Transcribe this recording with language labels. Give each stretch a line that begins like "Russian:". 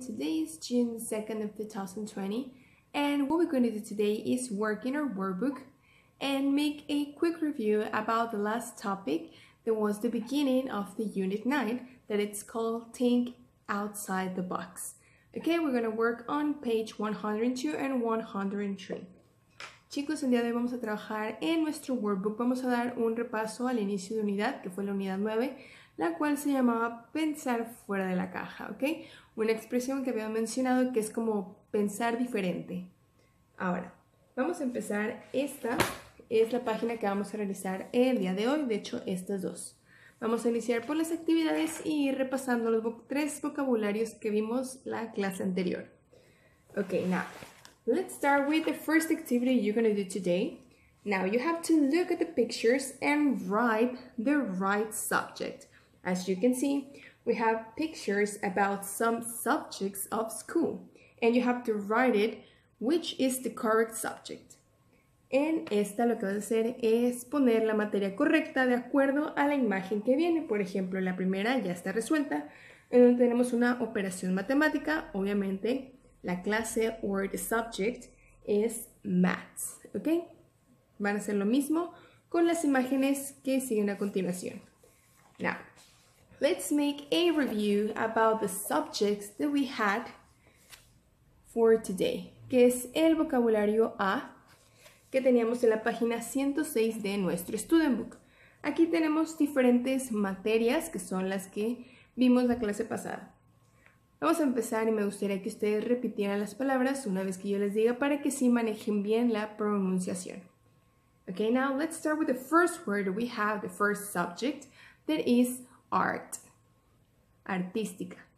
English: Today is June 2nd of 2020 and what we're going to do today is work in our workbook and make a quick review about the last topic that was the beginning of the unit 9 that it's called Think Outside the Box. Okay, we're going to work on page 102 and 103.
Spanish: Chicos, el día de hoy vamos a trabajar en nuestro workbook. Vamos a dar un repaso al inicio de unidad, que fue la unidad 9, la cual se llamaba pensar fuera de la caja, ¿ok? Una expresión que habíamos mencionado que es como pensar diferente. Ahora, vamos a empezar. Esta es la página que vamos a realizar el día de hoy, de hecho, estas dos. Vamos a iniciar por las actividades y ir repasando los tres vocabularios que vimos la clase anterior.
English: Ok, now, let's start with the first activity you're going to do today. Now, you have to look at the pictures and write the right subject. As you can see, we have pictures about some subjects of school, and you have to write it which is the correct subject.
Spanish: En esta lo que vas a hacer es poner la materia correcta de acuerdo a la imagen que viene. Por ejemplo, la primera ya está resuelta, en donde tenemos una operación matemática. Obviamente, la clase
English: or the subject is maths, ¿ok?
Spanish: Van a hacer lo mismo con las imágenes que siguen a continuación.
English: Now, let's make a review about the subjects that we had for today,
Spanish: que es el vocabulario A que teníamos en la página 106 de nuestro student book. Aquí tenemos diferentes materias que son las que vimos la clase pasada. Vamos a empezar y me gustaría que ustedes repitieran las palabras una vez que yo les diga para que sí manejen bien la pronunciación.
English: Okay, now let's start with the first word we have, the first subject, that is art, artística.